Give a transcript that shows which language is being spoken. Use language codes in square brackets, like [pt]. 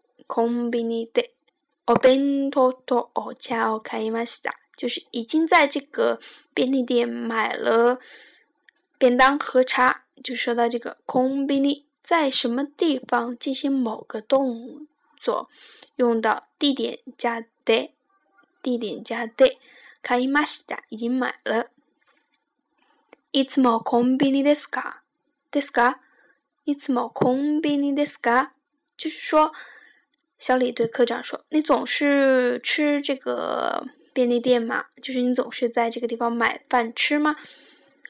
[ja] コンビニでお弁当とお茶を買いました。 [zh] 就是已经在这个便利店买了便当和茶，就说到这个コンビニ，在什么地方进行某个动作，用到地点加で，地点加で，買いました，已经买了。 [ja] いつもコンビニですか？ですか？いつもコンビニですか？ [zh] 就是说，小李对科长说：“你总是吃这个便利店吗？就是你总是在这个地方买饭吃吗？”